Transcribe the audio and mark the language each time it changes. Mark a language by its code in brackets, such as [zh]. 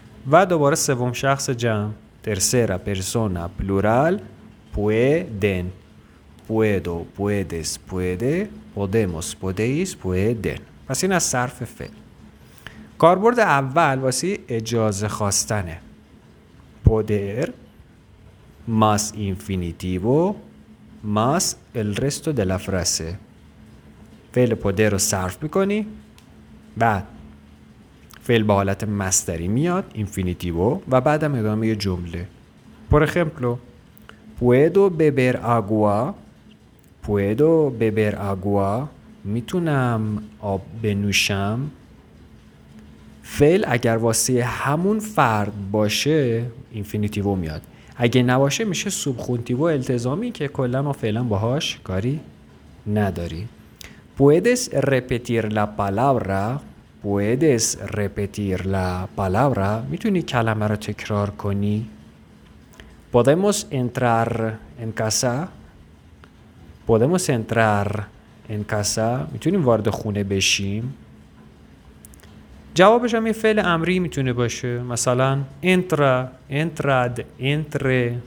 [fa] و دوباره سوم شخص جمع، ترسرا پرسونا پلورال، [es] pueden. Puedo, puedes, puede. Podemos, podéis, pueden. [fa] پس این از صرف فعل. کاربرد اول واسه اجازه خواستنه. [es] Poder más infinitivo más el resto de la frase. [fa] فعل poder رو صرف میکنی، بعد فعل به حالت مصدری میاد، infinitivo، و بعدم ادامه جمله. [es] Por ejemplo، puedo beber agua. Puedo beber agua. [fa] میتونم آب بنوشم. فعل اگر واسه همون فرد باشه اینفینیتیو میاد، اگه نباشه میشه سوبخونتیو التزامی که کلا ما فعلا باهاش کاری نداری. [es] Puedes repetir la palabra. Puedes repetir la palabra. [fa] میتونی کلمه رو تکرار کنی. [es] Podemos entrar en casa. Podemos entrar en casa. [fa] میتونیم وارد خونه بشیم. جوابش هم یه فعل امری میتونه باشه، مثلا [es] entra، entrad، entre.